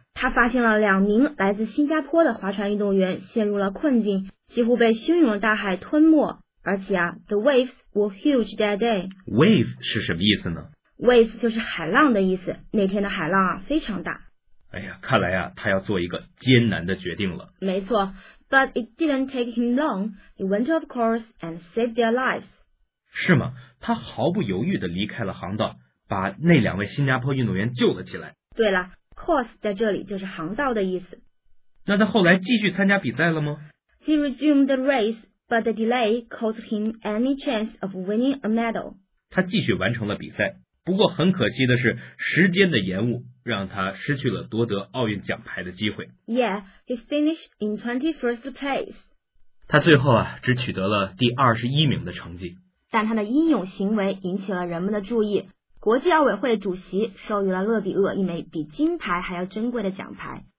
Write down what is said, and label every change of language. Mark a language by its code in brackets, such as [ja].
[zh] 他发现了两名来自新加坡的划船运动员陷入了困境，几乎被汹涌的大海吞没，而且啊 ， [en] the waves were huge that day。 [zh] wave 是什么意思呢？ Wave 就是海浪的意思，那天的海浪啊非常大。哎呀，看来啊他要做一个艰难的决定了。没错， [en] But it didn't take him long. He went off course and saved their lives. [zh] 是吗？他毫不犹豫地离开了航道，把那两位新加坡运动员救了起来。对了， course 在这里就是航道的意思。那他后来继续参加比赛了吗？ [en] He resumed the race, but the delay cost him any chance of winning a medal. [zh] 他继续完成了比赛，不过很可惜的是，时间的延误让他失去了夺得奥运奖牌的机会。 [en] Yeah, he finished in 21st place. [zh] 他最后啊，只取得了第21名的成绩。但他的英勇行为引起了人们的注意，国际奥委会主席授予了勒比厄一枚比金牌还要珍贵的奖牌。